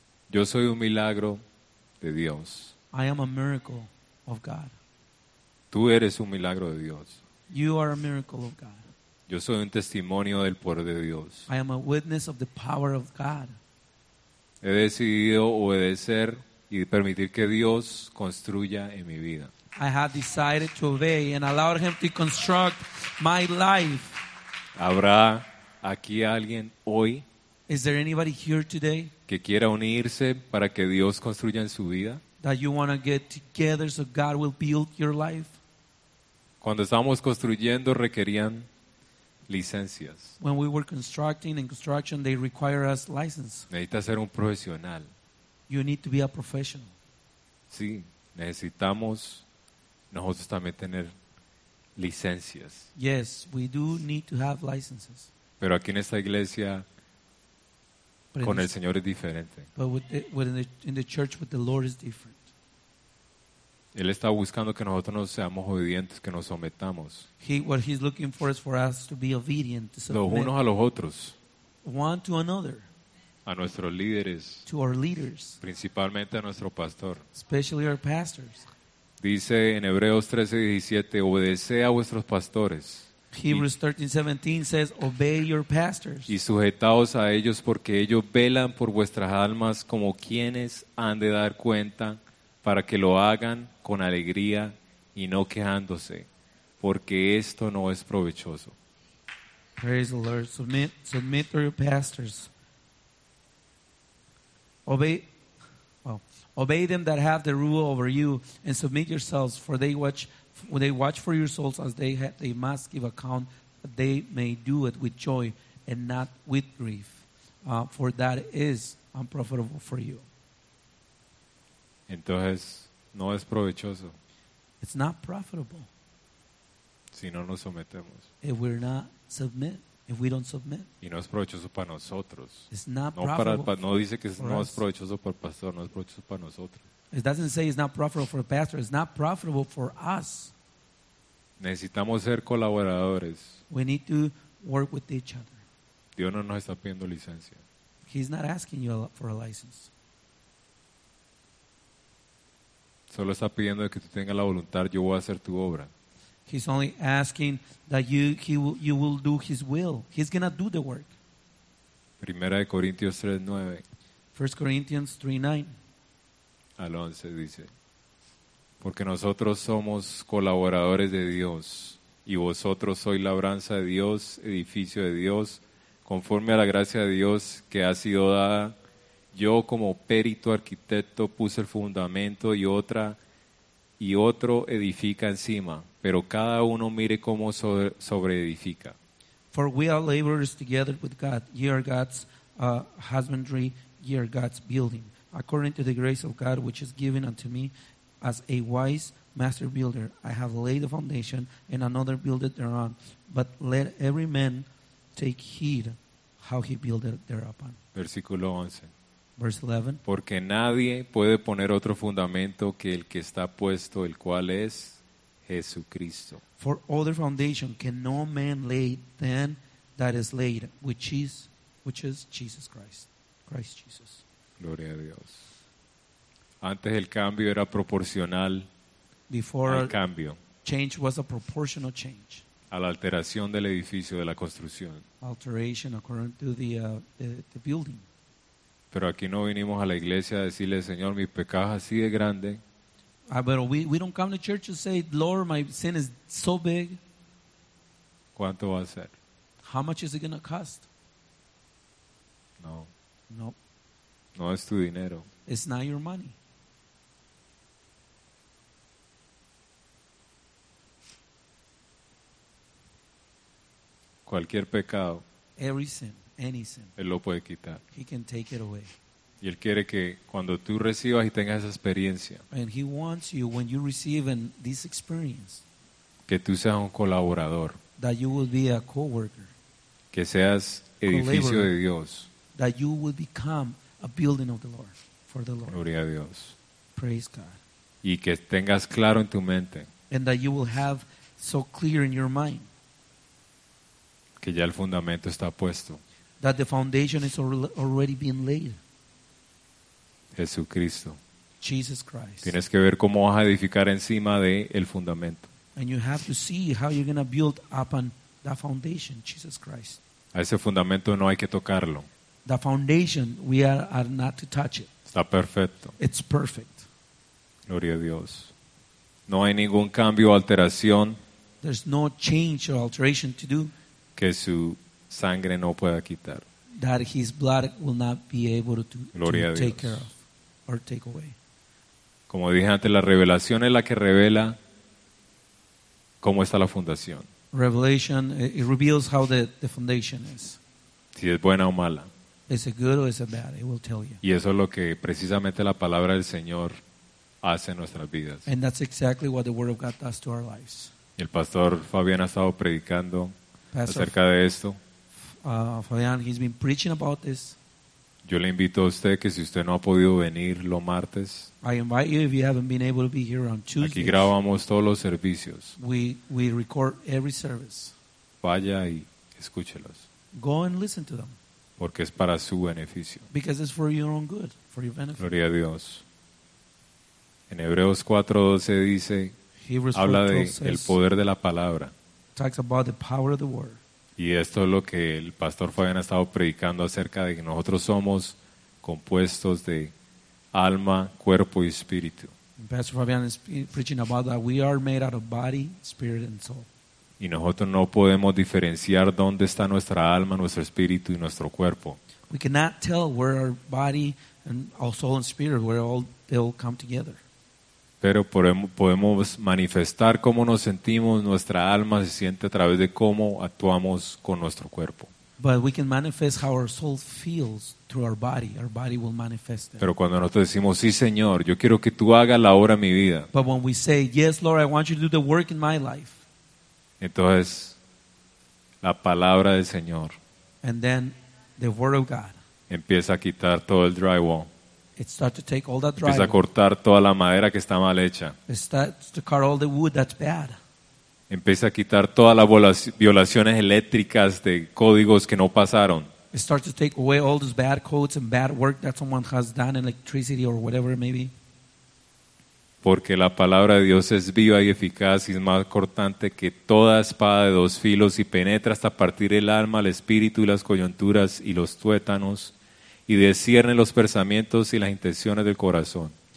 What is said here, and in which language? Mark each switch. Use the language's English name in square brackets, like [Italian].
[Spanish] Yo soy un milagro de Dios. [English] I am a miracle of God. [Spanish] Tú eres un milagro de Dios. [English] You are a miracle of God. [Spanish] Yo soy un testimonio del poder de Dios. [English] I am a witness of the power of God. [Spanish] He decidido obedecer y permitir que Dios construya en mi vida. [English] I have decided to obey and allow him to construct my life. [Spanish] ¿Habrá aquí alguien hoy? [English] Is there anybody here today? [Spanish] Que quiera unirse para que Dios construya en su vida? [English] That you want to get together so God will build your life? [Spanish] Cuando estábamos construyendo requerían licencias. [English] When we were constructing and construction they require us license. [Spanish] Necesita ser un profesional. [English] You need to be a professional. [Spanish] Sí, necesitamos nosotros también tener licencias. [English] Yes, we do need to have licenses. [Spanish] Pero aquí en esta iglesia con el Señor es diferente. [English] But in the church with the Lord is different. [Spanish] Él está buscando que nosotros nos seamos obedientes, que nos sometamos. [English] What he's looking for is for us to be obedient, to submit. [Spanish] Los unos a los otros. [English] One to another. [Spanish] A nuestros líderes. [English] To our leaders. [Spanish] Principalmente a nuestro pastor. [English] Especially our pastors. [Spanish] Dice en Hebreos 13:17, obedece a vuestros pastores. [English] Hebrews 13:17 says, obey your pastors. [Spanish] Y sujetaos a ellos porque ellos velan por vuestras almas como quienes han de dar cuenta para que lo hagan con alegría y no quejándose, porque esto no es provechoso. [English] Praise the Lord. Submit to your pastors. Obey. Obey them that have the rule over you and submit yourselves, for they watch for your souls as they must give account, that they may do it with joy and not with grief. For that is unprofitable for you. [Spanish] Entonces, no es provechoso. [English] It's not profitable. [Spanish] Si no nos sometemos. [English] If we're not submit. If we don't submit. [Spanish] Y no es provechoso para nosotros. [English] It's not no profitable [Spanish] para, no dice que no es provechoso para el pastor, no es provechoso para nosotros. [English] It doesn't say it's not profitable for the pastor. It's not profitable for us. [Spanish] Necesitamos ser colaboradores. [English] We need to work with each other. [Spanish] Dios no nos está pidiendo licencia. [English] He's not asking you for a license. [Spanish] Solo está pidiendo que tú tengas la voluntad, yo voy a hacer tu obra. [English] He's only asking that you will do his will. He's going to do the work. [Spanish] Primera de Corintios 3:9. [English] 1 Corinthians 3:9. [Spanish] Al 11 dice, porque nosotros somos colaboradores de Dios, y vosotros sois labranza de Dios, edificio de Dios, conforme a la gracia de Dios que ha sido dada. Yo como perito arquitecto puse el fundamento y otro edifica encima, pero cada uno mire cómo sobre edifica. [English] For we are laborers together with God. Ye are God's husbandry. Ye are God's building. According to the grace of God which is given unto me, as a wise master builder, I have laid the foundation, and another buildeth thereon. But let every man take heed how he buildeth thereupon. [Spanish] Versículo 11. [English] Verse 11. [Spanish] Porque nadie puede poner otro fundamento que el que está puesto, el cual es Jesucristo. [English] For other foundation can no man lay than that is laid, which is Jesus Christ. Christ Jesus. [Spanish] Gloria a Dios. Antes el cambio era proporcional [English] Before [Spanish] al cambio. [English] Change was a proportional change. [Spanish] A la alteración del edificio, de la construcción. [English] Alteration according to the building. [Spanish] Pero aquí no vinimos a la iglesia a decirle, Señor, mi pecado es así de grande. [English] But we don't come to church to say, Lord, my sin is so big. [Spanish] ¿Cuánto va a ser? [English] How much is it going to cost? [Spanish] No. [English] No. [Spanish] No es tu dinero. [English] It's not your money. [Spanish] Cualquier pecado. [English] Every sin. Anything. [Spanish] Él lo puede quitar. [English] He can take it away. [Spanish] Y él quiere que cuando tú recibas y tengas esa experiencia. [English] And he wants you when you receive in this experience. [Spanish] Que tú seas un colaborador. [English] That you will be a co-worker. [Spanish] Que seas edificio de Dios. [English] That you will become a building of the Lord for the Lord. [Spanish] Gloria a Dios. [English] Praise God. [Spanish] Y que tengas claro en tu mente. [English] And that you will have so clear in your mind. [Spanish] Que ya el fundamento está puesto. [English] That the foundation is already being laid. [Spanish] Jesucristo. [English] Jesus Christ. [Spanish] Tienes que ver cómo vas a edificar encima de el fundamento. [English] And you have to see how you're going to build upon that foundation, Jesus Christ. [Spanish] A ese fundamento no hay que tocarlo. [English] The foundation, we are not to touch it. [Spanish] Está perfecto. [English] It's perfect. [Spanish] Gloria a Dios. No hay ningún cambio o alteración. [English] There's no change or alteration to do. [Spanish] Que su sangre no pueda quitar. [English] That his blood will not be able to take care of or take away. [Spanish] Como dije antes, la revelación es la que revela cómo está la fundación. [English] Revelation, it reveals how the foundation is. [Spanish] Si es buena o mala. [English] Is it good or is it bad? It will tell you. [Spanish] Y eso es lo que precisamente la palabra del Señor hace en nuestras vidas. [English] And that's exactly what the word of God does to our lives. [Spanish] El pastor Fabián ha estado predicando acerca de esto. [English] Fabián, he's been preaching about this. [Spanish] Yo le invito a usted que si usted no ha podido venir los martes. [English] I invite you if you haven't been able to be here on Tuesday. [Spanish] Aquí grabamos todos los servicios. [English] We record every service. [Spanish] Vaya y escúchelos. [English] Go and listen to them. [Spanish] Porque es para su beneficio. [English] Because it's for your own good, for your benefit. [Spanish] Gloria a Dios. En Hebreos 4:12 dice, habla de el poder de la palabra. [English] Talks about the power of the word. [Spanish] Y esto es lo que el pastor Fabián ha estado predicando acerca de que nosotros somos compuestos de alma, cuerpo y espíritu. [English] Pastor Fabián is preaching about that we are made out of body, spirit and soul. [Spanish] Y nosotros no podemos diferenciar dónde está nuestra alma, nuestro espíritu y nuestro cuerpo. [English] We cannot tell where our body and our soul and spirit, where all still come together. [Spanish] Pero podemos manifestar cómo nos sentimos, nuestra alma se siente a través de cómo actuamos con nuestro cuerpo. [English] But we can manifest how our soul feels through our body. Our body will manifest it. [Spanish] Pero cuando nosotros decimos sí, Señor, yo quiero que tú hagas la obra en mi vida. [English] But when we say yes, Lord, I want you to do the work in my life. [Spanish] Entonces la palabra del Señor. [English] And then the word of God. [Spanish] Empieza a quitar todo el drywall. [English] It starts to take all that drywall. [Spanish] Empieza a cortar toda la madera que está mal hecha. [English] It starts to cut all the wood that's bad. [Spanish] Empieza a quitar todas las violaciones eléctricas de códigos que no pasaron. [English] It starts to take away all those bad codes and bad work that someone has done in electricity or whatever it may be. [Spanish] Porque la palabra de Dios es viva y eficaz y es más cortante que toda espada de dos filos y penetra hasta partir el alma, el espíritu y las coyunturas y los tuétanos y discierne los pensamientos y las intenciones del corazón.